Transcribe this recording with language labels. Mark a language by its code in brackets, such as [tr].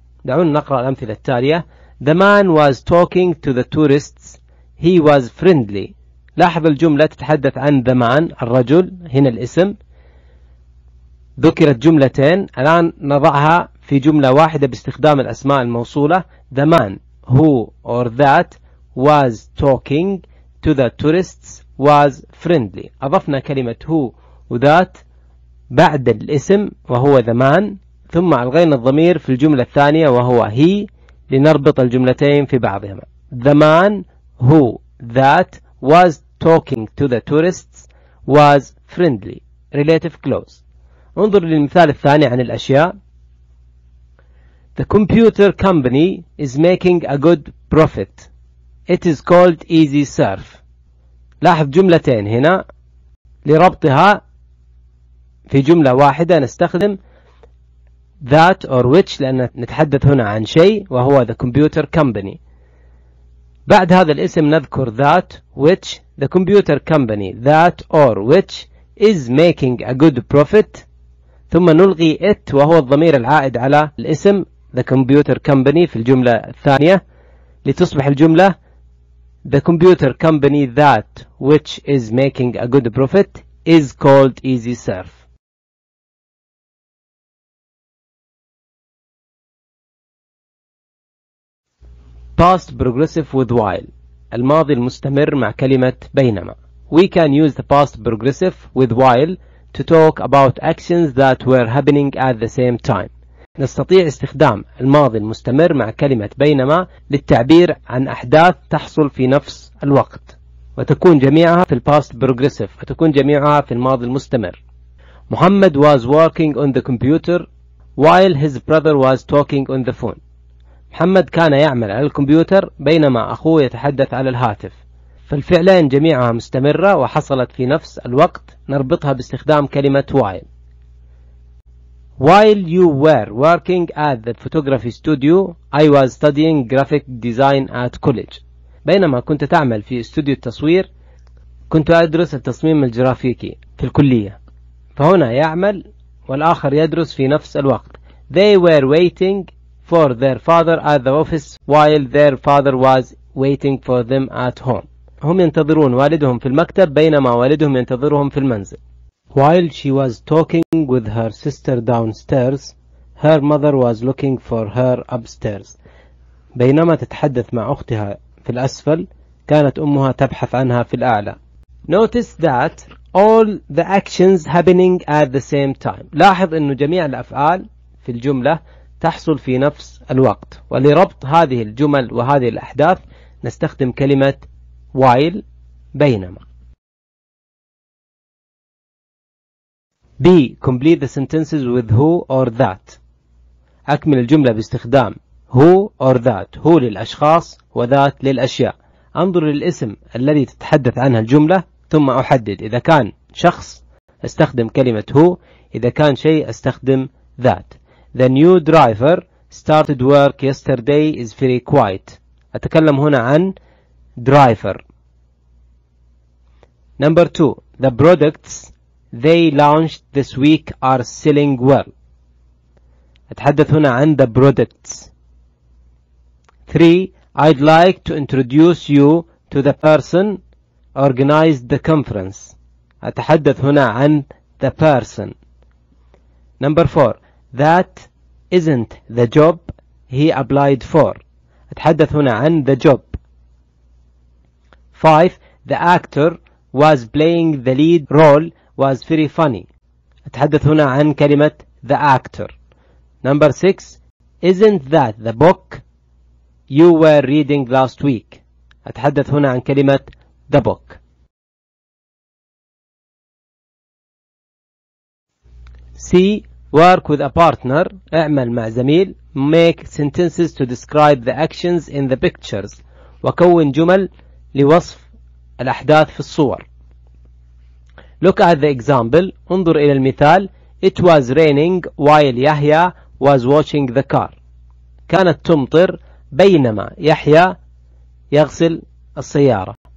[ar] دعونا نقرأ الأمثلة التالية. [en] The man was talking to the tourists. He was friendly. [ar] لاحظ الجملة تتحدث عن the man الرجل، هنا الاسم. ذكرت جملتين، الآن نضعها في جملة واحدة باستخدام الأسماء الموصولة. [en] The man who or that was talking to the tourists was friendly. [ar] أضفنا كلمة who وذات بعد الاسم وهو the man، ثم ألغينا الضمير في الجملة الثانية وهو he لنربط الجملتين في بعضهما. [en] The man who that was talking to the tourists was friendly. Relative clause. [ar] انظر للمثال الثاني عن الأشياء. [en] The computer company is making a good profit. It is called EasySurf. [ar] لاحظ جملتين هنا، لربطها في جملة واحدة نستخدم [en] that or which [ar] لأن نتحدث هنا عن شيء وهو [en] the computer company. [ar] بعد هذا الاسم نذكر [en] that which the computer company that or which is making a good profit، [ar] ثم نلغي [en] it [ar] وهو الضمير العائد على الاسم [en] the computer company [ar] في الجملة الثانية لتصبح الجملة [en] the computer company that which is making a good profit is called EasySurf. Past progressive with while. [ar] الماضي المستمر مع كلمة بينما. [en] We can use the past progressive with while to talk about actions that were happening at the same time. [ar] نستطيع استخدام الماضي المستمر مع كلمة بينما للتعبير عن أحداث تحصل في نفس الوقت وتكون جميعها في الباست بروجريسيف وتكون جميعها في الماضي المستمر. [en] محمد was working on the computer while his brother was talking on the phone. [ar] محمد كان يعمل على الكمبيوتر بينما أخوه يتحدث على الهاتف. فالفعلين جميعها مستمرة وحصلت في نفس الوقت، نربطها باستخدام كلمة while. [en] While you were working at the photography studio, I was studying graphic design at college. [ar] بينما كنت تعمل في استوديو التصوير، كنت أدرس التصميم الجرافيكي في الكلية. فهنا يعمل والآخر يدرس في نفس الوقت. [en] They were waiting for their father at the office while their father was waiting for them at home. [ar] هم ينتظرون والدهم في المكتب بينما والدهم ينتظرهم في المنزل. [en] While she was talking with her sister downstairs, her mother was looking for her upstairs. [ar] بينما تتحدث مع أختها في الأسفل، كانت أمها تبحث عنها في الأعلى. [en] Notice that all the actions happening at the same time. [ar] لاحظ أن جميع الأفعال في الجملة تحصل في نفس الوقت، ولربط هذه الجمل وهذه الأحداث نستخدم كلمة while بينما. [en] B. Complete the sentences with who or that. [ar] أكمل الجملة باستخدام [en] who or that. [ar] Who للأشخاص وذات للأشياء. أنظر للإسم الذي تتحدث عنها الجملة ثم أحدد. إذا كان شخص أستخدم كلمة who، إذا كان شيء أستخدم that. [en] The new driver started work yesterday is very quiet. [ar] أتكلم هنا عن driver. [en] Number two. The products they launched this week are selling well. [ar] أتحدث هنا عن the products. [en] 3. I'd like to introduce you to the person organized the conference. [ar] أتحدث هنا عن the person. [en] Number 4. That isn't the job he applied for. [ar] أتحدث هنا عن the job. 5. [en] The actor was playing the lead role was very funny. [ar] أتحدث هنا عن كلمة the actor. [en] Number 6. Isn't that the book you were reading last week? [ar] أتحدث هنا عن كلمة the book. [en] C. Work with a partner. [ar] اعمل مع زميل. [en] Make sentences to describe the actions in the pictures. [ar] وكون جمل لوصف الأحداث في الصور. [en] Look at the example. [ar] انظر إلى المثال. [en] It was raining while Yahya was watching the car. [ar] كانت تمطر بينما يحيى يغسل السيارة.